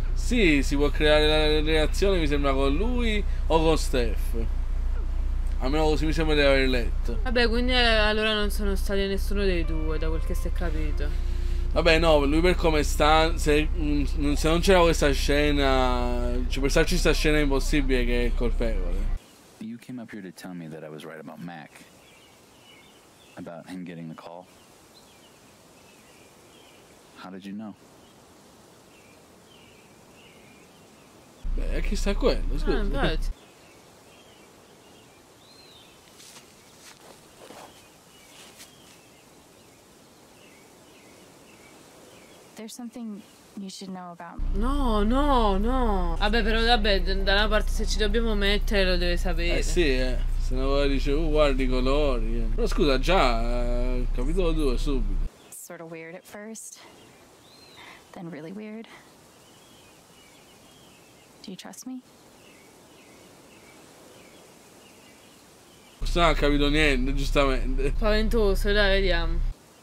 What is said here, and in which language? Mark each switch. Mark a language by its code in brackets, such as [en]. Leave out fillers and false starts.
[it] Sì, si può creare la reazione, mi sembra, con lui o con Steph. Almeno così mi sembra di aver letto. Vabbè, quindi allora non sono stati nessuno dei due, da quel che si è capito. Vabbè, no, lui per come sta, se non c'era questa scena, cioè per starci questa scena è impossibile che è colpevole. [en] You came up here to tell me that I was right about Mac. About him getting the call. How did you know? [it] Beh, chi sta quello? Scusa. [en] Ah, but... There's something you should know about. No, no, no. [it] Vabbè, però vabbè, da una parte se ci dobbiamo mettere lo deve sapere. Eh sì, se no poi dice, guardi i colori. Però scusa, già, capitolo 2 subito. [en] Sort of weird at first, then really weird. Do you trust me? [it] Questo non ha capito niente, giustamente. Spaventoso, dai, vediamo.